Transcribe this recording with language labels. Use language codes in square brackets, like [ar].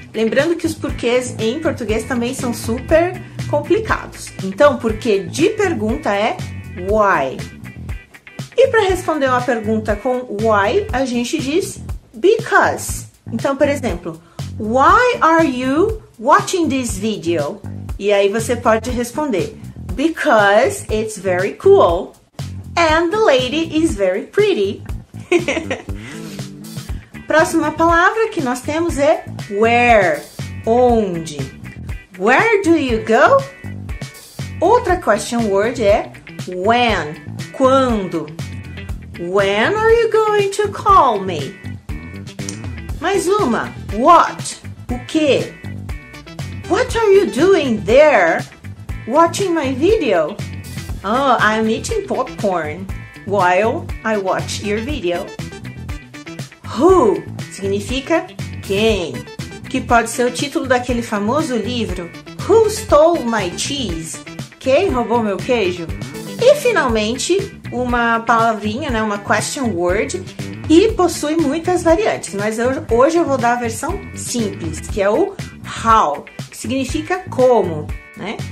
[pt] Lembrando que os porquês em português também são super complicados. Então, porque de pergunta é why. E para responder uma pergunta com why, a gente diz because. Então, por exemplo, [en] why are you watching this video? [pt] E aí você pode responder [en] because it's very cool and the lady is very pretty. [pt] Próxima palavra que nós temos é where, onde. [en] Where do you go? [pt] Outra question word é when, quando. [en] When are you going to call me? [pt] Mais uma, what, o quê? [en] What are you doing there watching my video? Oh, I'm eating popcorn while I watch your video. [pt] Who significa quem, que pode ser o título daquele famoso livro Who Stole My Cheese? Quem roubou meu queijo? E finalmente, uma palavrinha, né, uma question word, e possui muitas variantes, mas hoje eu vou dar a versão simples, que é o how, que significa como, né?